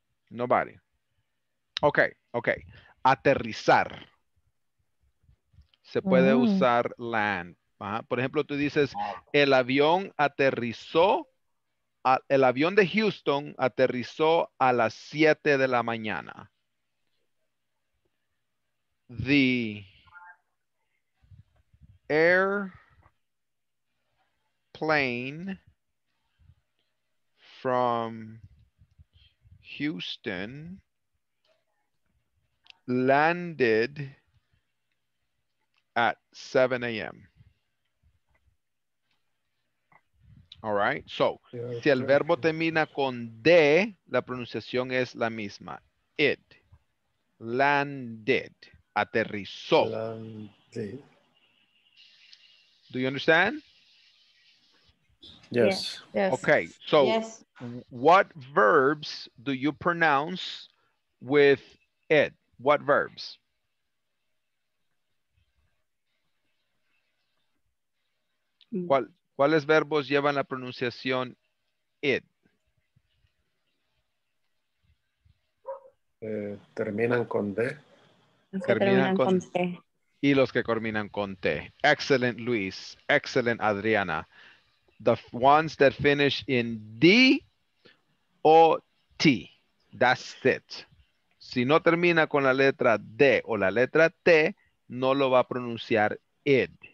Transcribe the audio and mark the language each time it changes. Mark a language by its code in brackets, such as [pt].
[en] Nobody. Okay, okay. Aterrizar. [es] Se puede usar land. Ajá. Por ejemplo, tú dices, el avión aterrizó, el avión de Houston aterrizó a las 7 de la mañana. [en] The airplane from Houston landed at 7 a.m. All right. [es] So, si el verbo termina con D, la pronunciación es la misma. [en] It landed. Aterrizó. Landed. Do you understand? Yes. Yes. Okay. So, yes. What verbs do you pronounce with it? What verbs? [es] ¿Cuáles verbos llevan la pronunciación it? Terminan con D. Terminan con T. Y los que terminan con T. [en] Excellent, Luis. Excellent, Adriana. The ones that finish in D o T. [es] That's it. Si no termina con la letra D o la letra T, no lo va a pronunciar it.